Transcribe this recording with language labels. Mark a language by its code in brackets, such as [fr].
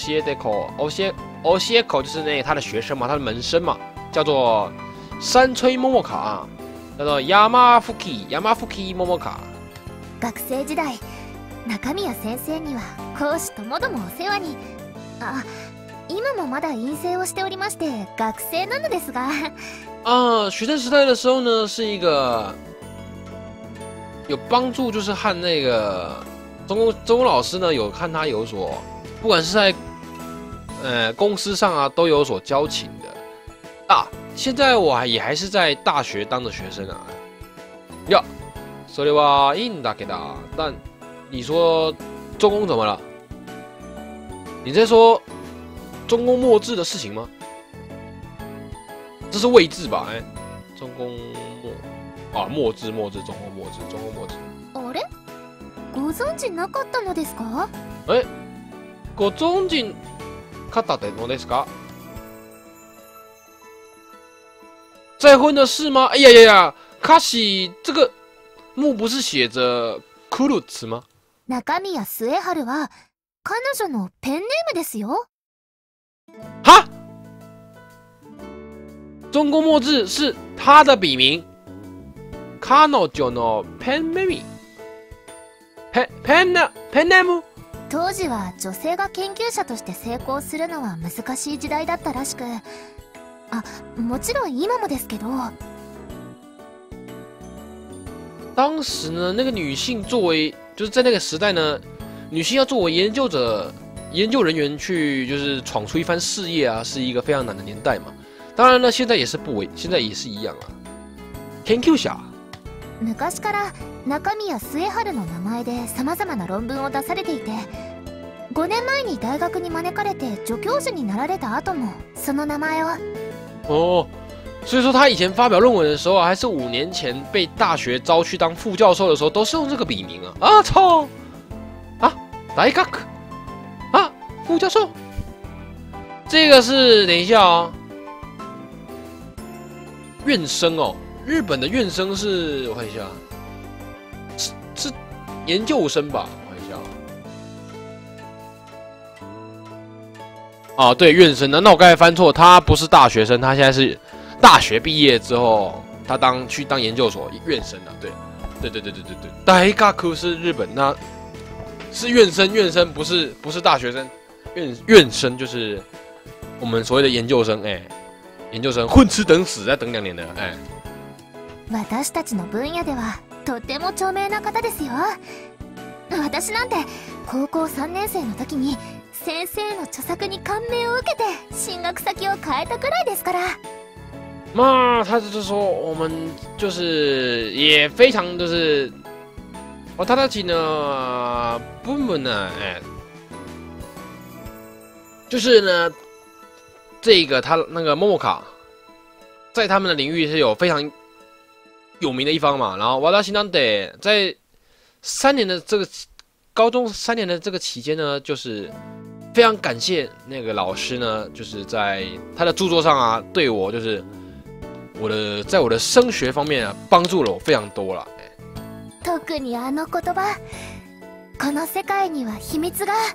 [ja] 九宫の先生の教え子 [zh] 就是那他的学生嘛，他的门生嘛，叫做山吹桃香，叫做山吹桃香。 [ja] 学生時代、中宮先生には講師ともどもお世話に、あ、今もまだ院生をしておりまして学生なのですが。 [zh] 啊，学生时代的时候呢，是一个。有帮助，就是和那个中老师呢，有看他有所，不管是在公司上啊，都有所交情的啊。现在我也还是在大学当的学生啊。呀，所以吧，应答给他。但你说中宫怎么了？你在说中宫末治的事情吗？这是位置吧？哎，中宫末。啊，末治末治，中宫末治，中宫末治。 [ja] あれ、ご存知なかったのですか？え、ご存知かったのですか？ [zh] 再婚的事吗？哎呀呀呀，卡西，这个墓不是写着クルツ吗？ [ja] 中宮スエハルは彼女のペンネームですよ。 [zh] 哈？中宫末治是他的笔名。 [ja] 彼女のペンネーム、ペンネーム。当時は女性が研究者として成功するのは難しい時代だったらしく、あ、もちろん今もですけど。 [zh] 当时呢，那个女性作为就是在那个时代呢，女性要作为研究人员去就是闯出一番事业啊，是一个非常难的年代嘛。当然呢，现在也是不为，现在也是一样啊。研究者。 [ja] 昔から中宮末治の名前でさまざまな論文を出されていて、5年前に大学に招かれて助教授になられた後もその名前を。 [zh] 哦，所以说他以前发表论文的时候，还是五年前被大学招去当副教授的时候，都是用这个笔名啊！啊操！啊，大学啊，副教授，这个是等一下哦，院生哦。日本的院生是，我看一下，是研究生吧？我看一下。啊，对，院生。那我刚才翻错，他不是大学生，他现在是大学毕业之后，他当去当研究所院生了。对，对对对对对对。大学科是日本，那是院生，院生不是大学生，院生就是我们所谓的研究生。哎，研究生混吃等死，再等两年的，哎。 [ja] 私たちの分野ではとても著名な方ですよ。私なんて高校3年生の時に先生の著作に感銘を受けて進学先を変えたくらいですから。まあ、 [zh] 他就是说我们就是也非常就是，我他 [ja] たちの部門 [zh] 呢，就是呢，这个他那个桃香，在他们的领域是有非常。有名的一方嘛，然后瓦达西南德在三年的这个高中三年的这个期间呢，就是非常感谢那个老师呢，就是在他的著作上啊，对我就是我的在我的升学方面啊，帮助了我非常多了。 [ja] 特にあの言葉、この世界には秘密が。